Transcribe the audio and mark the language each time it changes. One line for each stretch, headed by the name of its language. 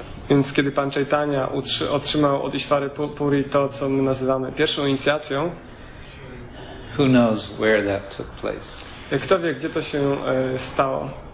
Polish: Więc kiedy Pan Chaitanya otrzymał od Ishvara Puri to, co my nazywamy pierwszą inicjacją,
English: who knows where that took place?
Polish: Kto wie, gdzie to się stało?